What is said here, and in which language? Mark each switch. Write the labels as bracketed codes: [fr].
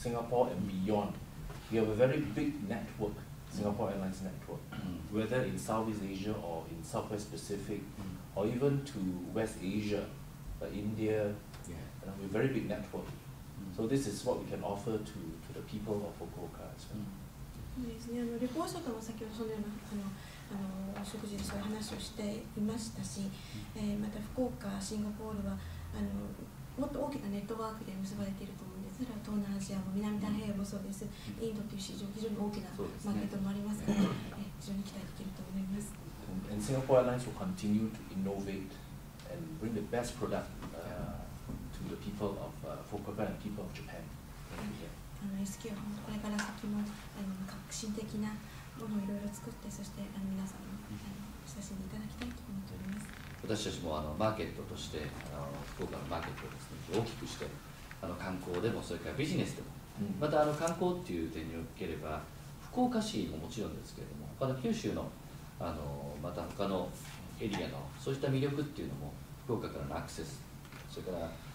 [en] Singapore and beyond. We have a very big network, Singapore Airlines network, whether in Southeast Asia or in Southwest Pacific, or even to West Asia, like India, yeah. We have a very big network. So this is what we can offer to the people of Fukuoka as well. [ja] ですね、旅行者とも先ほどそのようなお食事でそういう話をしていましたし、また福岡、シンガポールはもっと大きなネットワークで結ばれていると思うんです。それは東南アジアも南太平洋もそうです。インドという市場、非常に大きなマーケットもありますから、ね、非常に期待できると思います。 [en] And Singapore Airlines will continue to innovate and bring the best product to the people of Fukuoka and people of Japan. [ja] SQ はこれから先も革新的なものをいろいろ作って、そして皆さんに親しんでいただきたいと思っております。私たちもマーケットとして福岡のマーケットをですね、大きくして観光でもそれからビジネスでも、また観光っていう点におければ福岡市ももちろんですけれども、他の九州のまた他のエリアのそういった魅力っていうのも福岡からのアクセス、それから